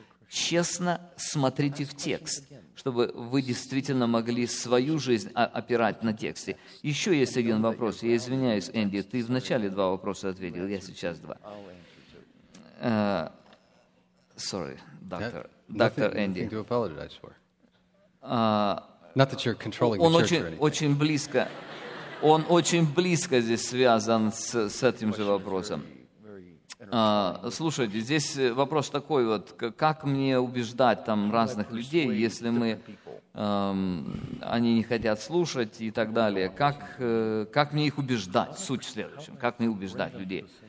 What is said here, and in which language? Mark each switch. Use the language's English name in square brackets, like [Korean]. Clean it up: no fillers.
[Russian] Честно смотрите в текст, чтобы вы действительно могли свою жизнь опирать на тексте. Еще есть один вопрос. Я извиняюсь, Энди, ты вначале 2 вопроса ответил, я сейчас 2. [English] Sorry, [Russian] доктор Энди. [English] Not that you're controlling the church or anything. [Russian] Он очень близко здесь связан с этим же вопросом. Слушайте, здесь вопрос такой вот: как мне убеждать там разных людей, если мы они не хотят слушать и так далее? Как мне их убеждать? Суть в следующем: как мне убеждать людей?